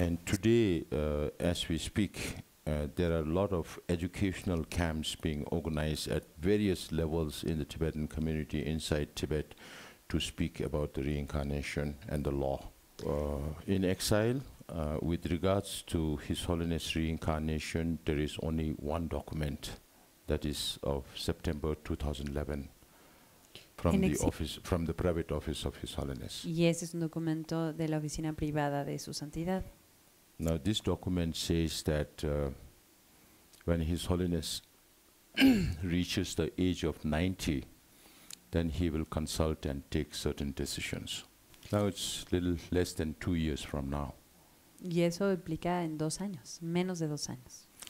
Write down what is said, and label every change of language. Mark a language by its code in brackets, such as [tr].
[en] And today, as we speak, there are a lot of educational camps being organized at various levels in the Tibetan community inside Tibet to speak about the reincarnation and the law. In exile, with regards to His Holiness reincarnation, there is only one document, that is of September 2011, from the office, from the private office of His Holiness. [es] Y ese es un documento de la oficina privada de su santidad. [en] Now this document says that when His Holiness reaches the age of 90, then he will consult and take certain decisions. Now it's a little less than 2 years from now. [es] Y eso implica en 2 años, menos de 2 años.